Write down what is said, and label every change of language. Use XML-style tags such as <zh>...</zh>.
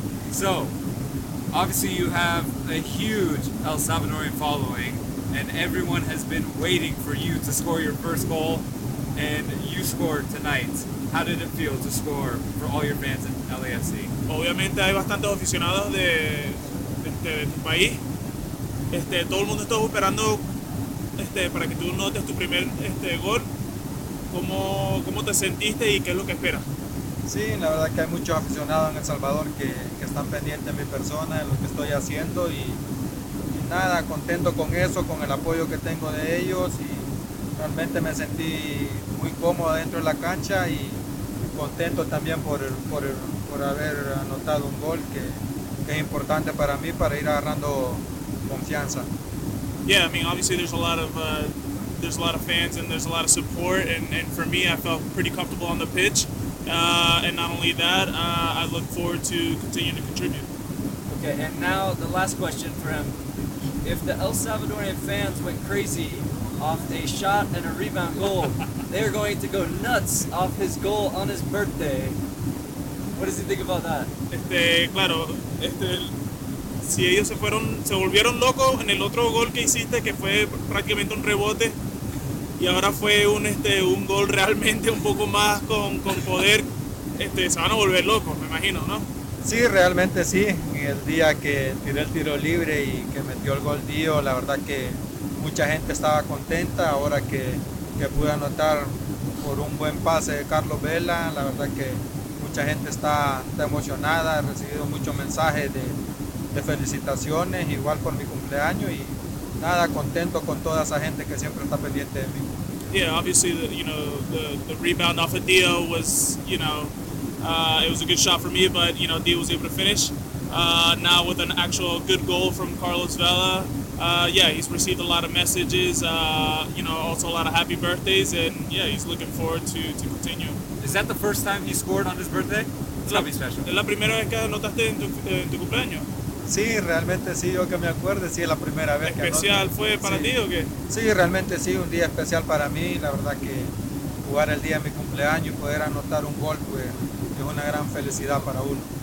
<en>So, obviously you have a huge El Salvadorian following, and everyone has been waiting for you to score your first goal, and you scored tonight. How did it feel to score for all your fans in LAFC?</en> <es>Obviamente hay bastantes aficionados de tu país. Todo el mundo está esperando para que tú notes tu primer gol. ¿Cómo te sentiste y qué es lo que esperas? Sí, la verdad que hay muchos aficionados en El Salvador que están pendientes de mi persona, de lo que estoy haciendo y nada, contento con eso, con el apoyo que tengo de ellos y realmente me sentí muy cómodo dentro de la cancha y contento también por haber anotado un gol que es importante para mí para ir agarrando confianza.</es> <en>Yeah, I mean, obviously there's a lot of fans and there's a lot of support and for me I felt pretty comfortable on the pitch. And not only that, I look forward to continuing to contribute. Okay, and now the last question for him. If the El Salvadorian fans went crazy off a shot and a rebound goal, they are going to go nuts off his goal on his birthday. What does he think about that?</en> <es>Claro, si ellos se volvieron locos en el otro gol que hiciste, que fue prácticamente un rebote, y ahora fue un gol realmente un poco más con poder, se van a volver locos, me imagino, ¿no? Sí, realmente sí. El día que tiré el tiro libre y que metió el gol Dio, la verdad que mucha gente estaba contenta. Ahora que pude anotar por un buen pase de Carlos Vela, la verdad que mucha gente está emocionada. He recibido muchos mensajes de felicitaciones, igual por mi cumpleaños y nada, contento con toda esa gente que siempre está pendiente de mí.</es> <en>Yeah, obviously, the rebound off of Dio was, it was a good shot for me, but, Dio was able to finish. Now with an actual good goal from Carlos Vela, he's received a lot of messages, also a lot of happy birthdays, and, yeah, he's looking forward to continue. Is that the first time he scored on his birthday? It's gonna be special.</en> <es>Es la primera vez que anotaste en tu cumpleaños. Sí, realmente sí, yo que me acuerde, sí, es la primera vez. ¿Especial que fue para sí. ti o qué? Sí, realmente sí, un día especial para mí. La verdad que jugar el día de mi cumpleaños y poder anotar un gol, pues, es una gran felicidad para uno.</es>